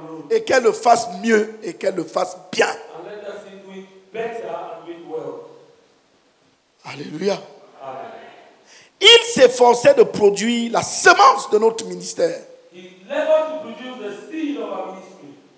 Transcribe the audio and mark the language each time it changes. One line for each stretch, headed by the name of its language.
French: Et qu'elle le fasse mieux et qu'elle le fasse bien.
English: And let us do it better and do it well.
French: Alléluia. Amen. Il s'efforçait de produire la semence de notre ministère.
English: He labored to produce the seed of our ministry.